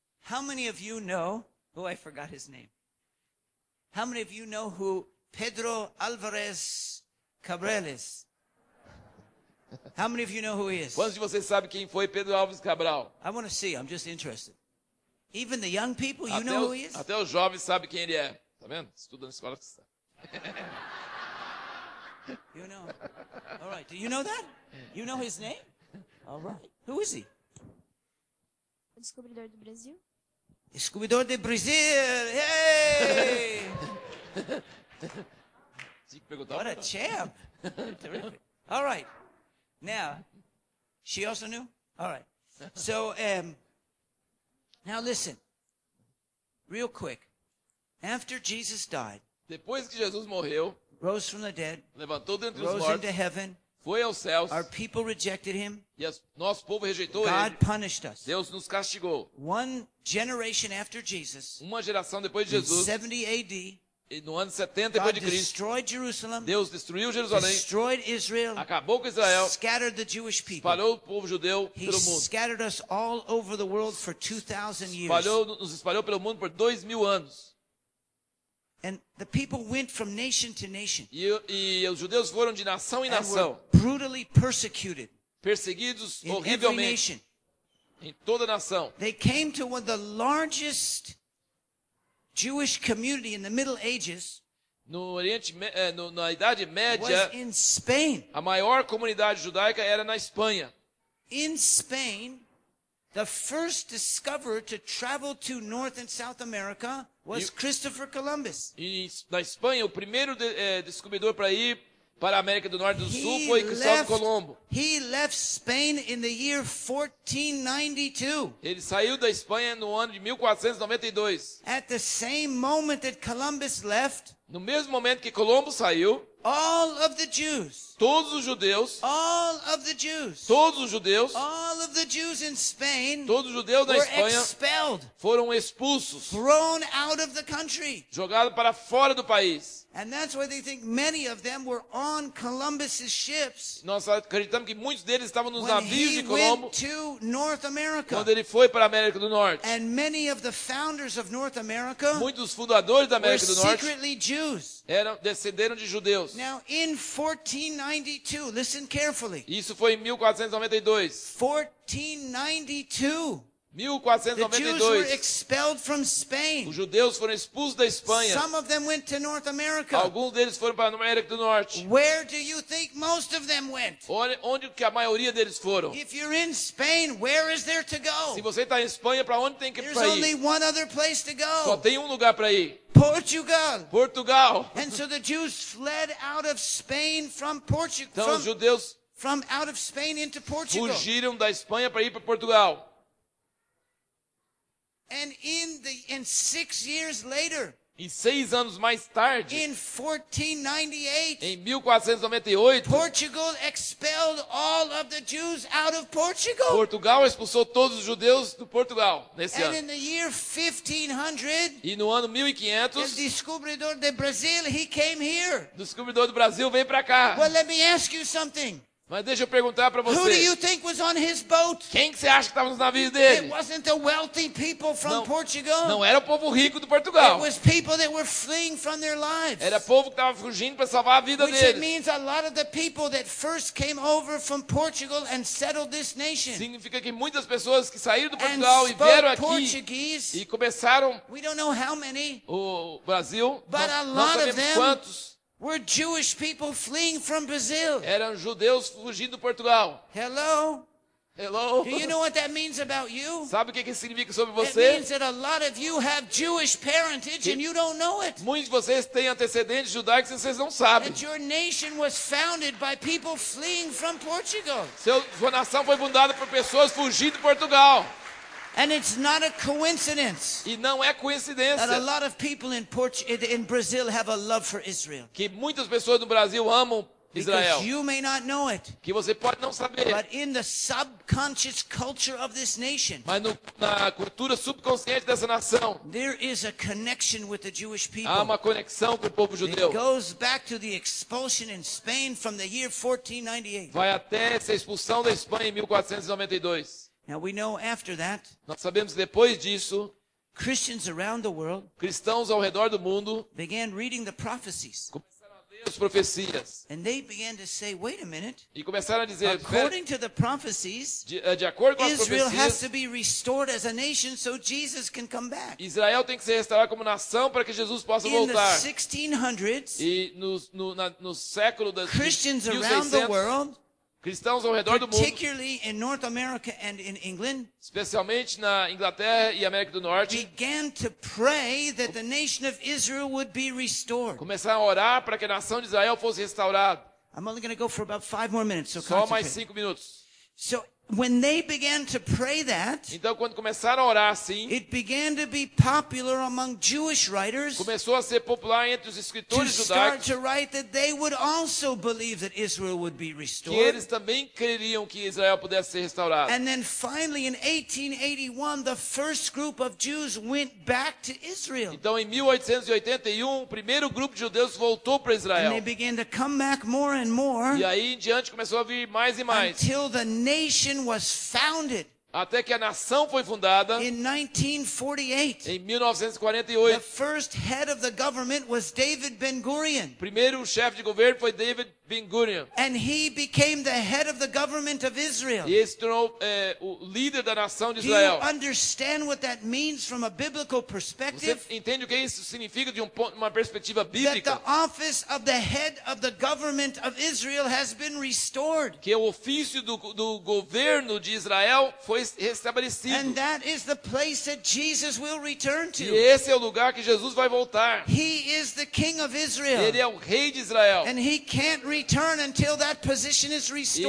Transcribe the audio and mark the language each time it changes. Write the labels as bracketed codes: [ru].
[en] How many of you know, oh, I forgot his name. How many of you know who Pedro Alvarez Cabral is? How many of you know who he is? [pt] Quantos de vocês sabem quem foi Pedro Alves Cabral? [en] I want to see, I'm just interested. Even the young people, you know who he is? [pt] Até os jovens sabem quem ele é. Tá vendo? Estuda na escola. [en] You know. All right. Do you know that? You know his name? All right. Who is he? [pt] Descobridor do Brasil. Descobridor de Brasil. Hey! [en] What a champ. Terrific. All right. Now, she also knew? All right. So, now listen. Real quick. After Jesus died, [pt] depois que Jesus morreu, [en] rose from the dead, [pt] levantou dentre [en] rose [pt] os mortos, [en] into heaven, [pt] foi aos céus, [en] our people rejected him, [pt] e as, nosso povo rejeitou [en] God [pt] ele. [en] God punished us. [pt] Deus nos castigou. [en] One generation after Jesus, [pt] uma geração depois de Jesus, [en] in 70 AD, [pt] no ano 70 depois de Cristo, Deus destruiu Jerusalém, [en] Israel, [pt] acabou com Israel, [en] scattered the Jewish people. [pt] Espalhou o povo judeu pelo mundo. [en] Scattered us all over the world for 2000 years. [pt] Nos espalhou pelo mundo por 2000 anos. [en] And the people went from nation to nation. [pt] E os judeus foram de nação em nação. [en] Brutally persecuted. [pt] Perseguidos horrivelmente. Em toda a nação. [en] They came to one of the largest Jewish community in the Middle Ages. [pt] No Oriente, na Idade Média, [en] was in Spain. [pt] A maior comunidade judaica era na Espanha. [en] In Spain, the first discoverer to travel to North and South America was Christopher Columbus. [pt] Na Espanha, o primeiro descobridor para ir para a América do Norte e do Sul foi Cristóvão Colombo. [en] He left Spain in the year 1492. [pt] Ele saiu da Espanha no ano de 1492. [en] At the same moment that Columbus left, [pt] no mesmo momento que Colombo saiu, [en] all of the Jews, [pt] todos os judeus, [en] all of the Jews, [pt] todos os judeus, [en] all of the Jews in Spain, [pt] todos os judeus da Espanha, [en] expelled, [pt] foram expulsos, [en] thrown out of the country, [pt] jogados para fora do país. [en] And that's why they think many of them were on Columbus's ships. [pt] Nós acreditamos que muitos deles estavam nos navios de Colombo. [en] When he went to North America, [pt] quando ele foi para a América do Norte. [en] And many of the founders of North America, [pt] muitos fundadores da América do Norte, [en] secretly Jews. [pt] Descenderam de judeus. [en] Now in 1492, listen carefully. [pt] Isso foi em 1492. [en] 1492. [pt] 1492. [en] The Jews were expelled from Spain. [pt] Os judeus foram expulsos da Espanha. [en] Some of them went to North America. [pt] Alguns deles foram para a América do Norte. [en] Where do you think most of them went? [pt] Onde que a maioria deles foram? [en] If you're in Spain, where is there to go? [pt] Se você está em Espanha, para onde tem que [en] There's [pt] ir? [en] Only one other place to go. [pt] Só tem um lugar para ir. [en] Portugal. [pt] Portugal. [en] And so the Jews fled out of Spain from Portugal. [pt] Então os judeus [en] from out of Spain into Portugal. [pt] Fugiram da Espanha para ir para Portugal. [en] And in 6 years later, [pt] e 6 anos mais tarde, [en] in 1498, [pt] em 1498, [en] Portugal expelled all of the Jews out of Portugal. [pt] Portugal expulsou todos os judeus do Portugal nesse [en] and [pt] ano. [en] In the year 1500, [pt] e no ano 1500, o descobridor do Brasil, [en] he came here. [pt] Descobridor do Brasil veio para cá. [en] Well, let me ask you something. [pt] Mas deixa eu perguntar para você. [en] Who do you think was on his boat? [pt] Quem que você acha que estava nos navios dele? [en] It wasn't the wealthy people from Portugal. [pt] Não era o povo rico do Portugal. [en] It was people that were fleeing from their lives. [pt] Era povo que estava fugindo para salvar a vida [en] Which [pt] deles. [en] Which means a lot of the people that first came over from Portugal and settled this nation. [pt] Significa que muitas pessoas que saíram do Portugal e vieram aqui [en] Portuguese, [pt] e começaram. [en] We don't know how many. [pt] O Brasil. [en] But [pt] não, [en] a lot [pt] não sabemos [en] of them, [pt] quantos. [en] Were Jewish people fleeing from Brazil? [pt] Eram judeus fugindo do Portugal. [en] Hello? Hello? Do you know what that means about you? [pt] Sabe o que isso significa sobre você? [en] It means that a lot of you have Jewish parentage and you don't know it. [pt] Muitos de vocês têm antecedentes judaicos e vocês não sabem. [en] That your nation was founded by people fleeing from Portugal. [pt] Sua nação foi fundada por pessoas fugindo do Portugal. [en] And it's not a coincidence. [pt] E não é coincidência. [en] That a lot of people in Brazil have a love for Israel. [pt] Que muitas pessoas no Brasil amam Israel. [en] Because you may not know it. [pt] Que você pode não saber. [en] But in the subconscious culture of this nation. [pt] Mas na cultura subconsciente dessa nação. [en] There is a connection with the Jewish people. [pt] Há uma conexão com o povo judeu. [en] It goes back to the expulsion in Spain from the year 1498. [pt] Vai até essa expulsão da Espanha em 1492. [en] Now we know after that, [pt] nós sabemos que depois disso, [en] Christians around the world, [pt] cristãos ao redor do mundo, [en] began reading the prophecies. [pt] Começaram a ler as profecias. [en] And they began to say, wait a minute. [pt] E começaram a dizer, [en] according to the prophecies, [pt] de acordo com as [en] Israel [pt] profecias, [en] has to be restored as a nation so Jesus can come back. [pt] Israel tem que ser restaurado como nação para que Jesus possa [en] in [pt] voltar. [en] The 1600s, [pt] e no século das [en] Christians 1600, around the world, [pt] cristãos ao redor do mundo, [en] particularly in North America and in England, [pt] especialmente na Inglaterra e América do Norte, [en] began to pray that the nation of Israel would be restored. [pt] Começaram a orar para que a nação de Israel fosse restaurada. [en] I'm only going to go for about five more minutes, so [pt] só concentrate. Mais 5 minutos. [en] So when they began to pray that, [pt] então quando começaram a orar assim, [en] it began to be popular among Jewish writers, [pt] começou a ser popular entre os escritores [en] judaicos, to start to write that they would also believe that Israel would be restored. [pt] Que eles também creriam que Israel pudesse ser restaurado. [en] And then finally in 1881 the first group of Jews went back to Israel. [pt] Então em 1881 o primeiro grupo de judeus voltou para Israel. [en] And they began to come back more and more, [pt] e aí em diante começou a vir mais e mais, [en] until the nation was founded. [pt] Até que a nação foi fundada [en] in 1948. [pt] Em 1948. [en] The first head of the government was David Ben-Gurion. [pt] Primeiro chefe de governo foi David Ben-Gurion. [en] And he became the head of the government of Israel. [pt] E ele se tornou o líder da nação de Israel. [en] Do you understand what that means from a biblical perspective? [pt] Você entende o que isso significa de uma perspectiva bíblica? [en] That the office of the head of the government of Israel has been restored. [pt] Que o ofício do governo de Israel foi restabelecido. [en] And that is the place that Jesus will return to. [pt] E esse é o lugar que Jesus vai voltar. [en] He is the king of Israel. [pt] Ele é o rei de Israel. [en] And he can't return until that position is restored.